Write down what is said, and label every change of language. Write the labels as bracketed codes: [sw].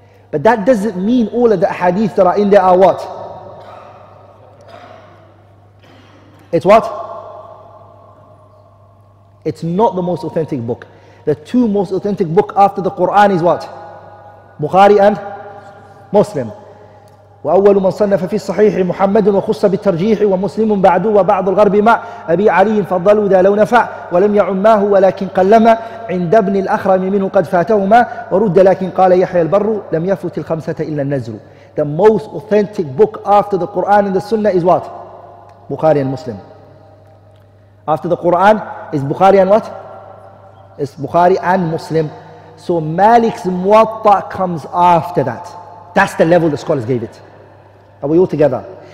[en] But that doesn't mean all of the hadith that are in there are what? It's what? It's not the most authentic book. The two most authentic book after the Quran is what? Bukhari and Muslim. [ar] وأول من صنف في الصحيح محمد وخص بالترجيح ومسلم بعده وبعض الغرب مع أبي علي فضلوا ذا لو نفع ولم يعماه ولكن قلما عند ابن الأخرم منه قد فاتهما ورد لكن قال يحيى البر لم يفوت الخمسة إلا النزر. [en] The most authentic book after the Quran and the Sunnah is what? Bukhari and Muslim. After the Quran is Bukhari and what? It's Bukhari and Muslim. So Malik's Muwatta comes after that. That's the level the scholars gave it. Are we all together?